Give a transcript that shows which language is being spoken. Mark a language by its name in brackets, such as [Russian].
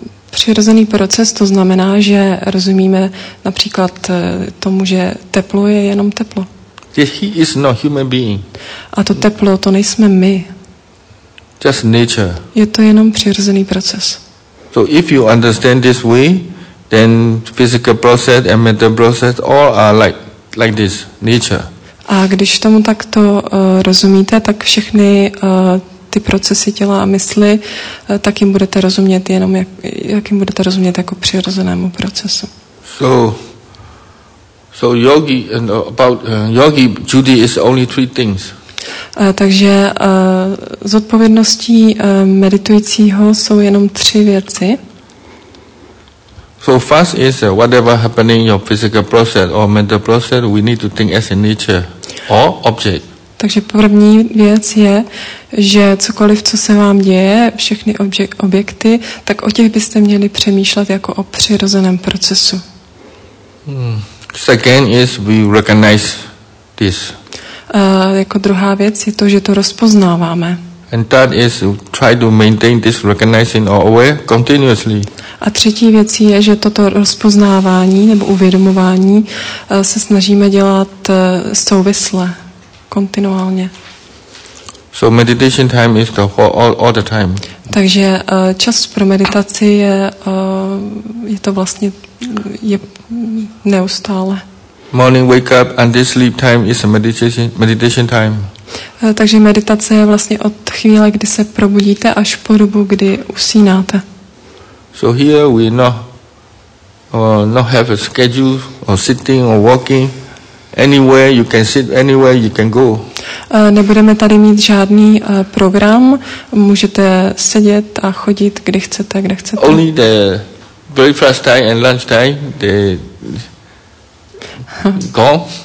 [Czech] Přirozený proces to znamená, že rozumíme například tomu, že teplo je jenom teplo. [English] The heat is not human being. [Czech] A to teplo, to nejsme my. [English] Just nature. [Czech] Je to jenom přirozený proces. [English] So if you understand this way, then physical process and mental process all are like this, nature. [Czech] A když tomu takto rozumíte, tak všechny ty procesy těla a mysli, tak jim budete rozumět jenom jak jim budete rozumět jako přirozenému procesu. [English] So yogi and about yogi duty is only three things. [Czech] Takže zodpovědností meditujícího jsou jenom tři věci. [English] So first is whatever happening your physical process or mental process, we need to think as a nature. Or object. [Czech] Takže první věc je, že cokoliv, co se vám děje, všechny objekty, tak o těch byste měli přemýšlet jako o přirozeném procesu. [English] Second is we recognize this. [Czech] Jako druhá věc je to, že to rozpoznáváme. [English] And that is try to maintain this recognizing or aware continuously. [Czech] A třetí věc je, že toto rozpoznávání nebo uvědomování se snažíme dělat souvisle, kontinuálně. [English] So meditation time is all the time. [Czech] Takže čas pro meditaci je to vlastně je neustále. [English] Morning wake up and this sleep time is a meditation time. [Czech] Takže meditace je vlastně od chvíle, kdy se probudíte, až po dobu, kdy usínáte. [English] So here we not have a schedule or sitting or walking. Anywhere you can sit, anywhere you can go. [Czech] Nebudeme tady mít žádný program. Můžete sedět a chodit, kde chcete, kde chcete. [English] Only the breakfast time and lunch time, they gone.